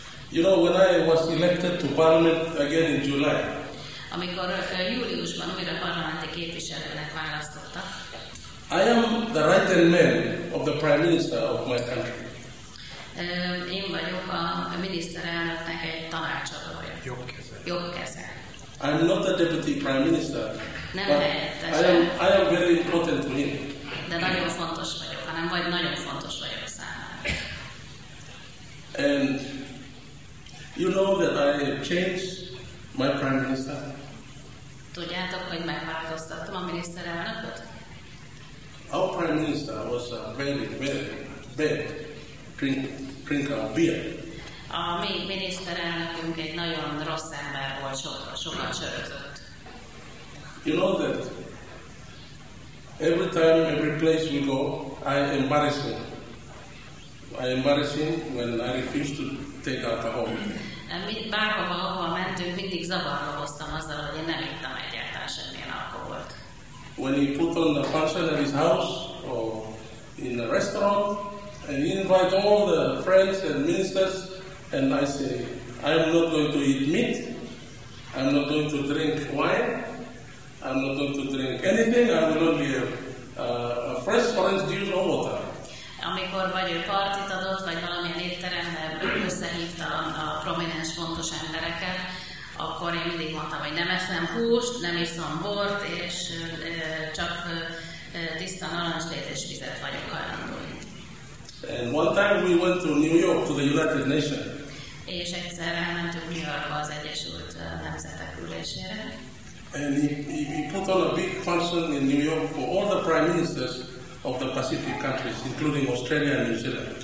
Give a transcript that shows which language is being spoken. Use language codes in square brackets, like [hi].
[en] You know, when I was elected to parliament again in July. [hu] Amikor júliusban újra parlamenti képviselőnek választottak. [en] I am the right-hand man of the Prime Minister of my country. [hu] Én vagyok a miniszterelnöknek egy tanácsadója. Jobb keze. [en] I am not the Deputy Prime Minister. [hu] Nem helyettese. [en] I am very important to him. [hu] De nagyon fontos vagyok, hanem vagy nagyon fontos vagyok számára. [en] And you know that I have changed my Prime Minister. [hu] Tudjátok, hogy megváltoztattam a miniszterelnököt? [en] Our Prime Minister was a very, very bad drinker of beer. [hu] A mi miniszterelnökünk egy nagyon rossz ember volt, sokat sörözött. [en] You know that every time, every place we go, I embarrass him when I refuse to take alcohol. [hu] Bárhova, ahova mentünk, mindig zavarba hoztam azzal, hogy én nem ittam egyáltalán semmilyen alkoholt. [en] When he put on the function at his house or in the restaurant, and he invite all the friends and ministers, and I say, I'm not going to eat meat, I'm not going to drink wine, I'm not going to drink anything, I will only have a fresh orange juice or water. [hu] Amikor vagy ő partit adott, vagy valamilyen étteremben összehívta a prominens fontos embereket, akkor én mindig mondtam, hogy nem eszem húst, nem iszom bort, és csak tiszta narancslét és vizet vagyok hajlandó. [en] And one time we went to New York to the United Nations. [hu] És egyszer elmentünk New Yorkba az Egyesült Nemzetek ülésére. [en] And he put on a big function in New York for all the prime ministers of the Pacific countries, including Australia and New Zealand.